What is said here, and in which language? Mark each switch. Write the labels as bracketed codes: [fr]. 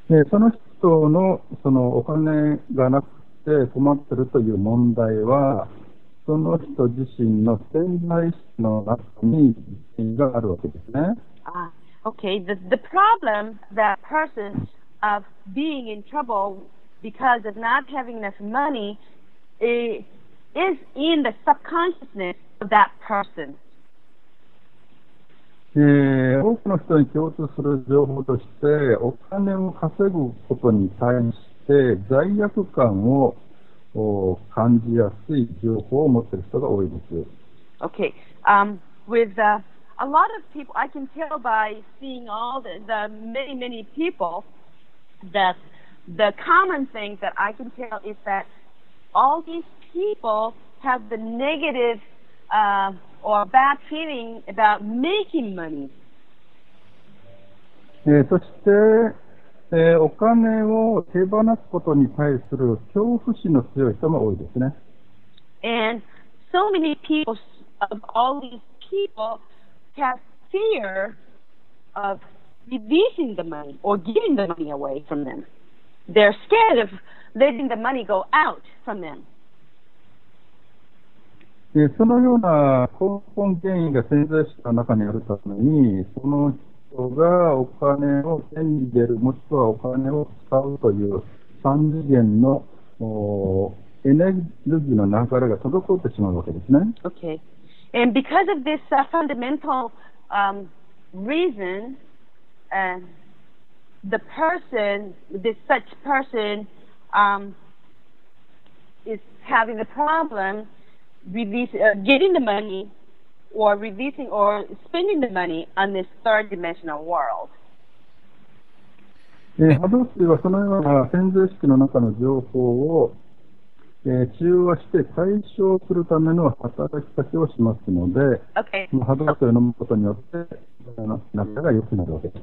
[ja] その人の、そのお金がなくて困ってるという問題は、その人自身の潜在意識の中に原因があるわけですね。 [en] Okay. The problem that person of being in trouble because of not having enough money is in the subconsciousness of that person. [ja] 多くの人に共通する情報として、お金を稼ぐことに対して罪悪感を感じやすい情報を持ってる人が多いです。 [en] Okay. With a lot of people, I can tell by seeing all the many, many people that the common thing that I can tell is that all these people have the negative or bad feeling about making money. [ja] そしてお金を手放すことに対する恐怖心の強い人も多いですね。 [en] And so many people of all these people have fear of releasing the money or giving the money away from them. They're scared of letting the money go out from them. [ja] そのような根本原因が潜在意識の中にあるために、その人がお金を手に入れる、もしくはお金を使うという三次元のエネルギーの流れが滞ってしまうわけですね。 [en] Okay. And because of this fundamental reason, the person, this such person, is having the problem getting the money. Or releasing or spending the money on this third dimensional world. [ja] ハドスはそのような潜在意識の中の情報を中和して解消するための働きかけをしますので、 [en] okay. [ja] ハドスを飲むことによって仲が良くなるわけです。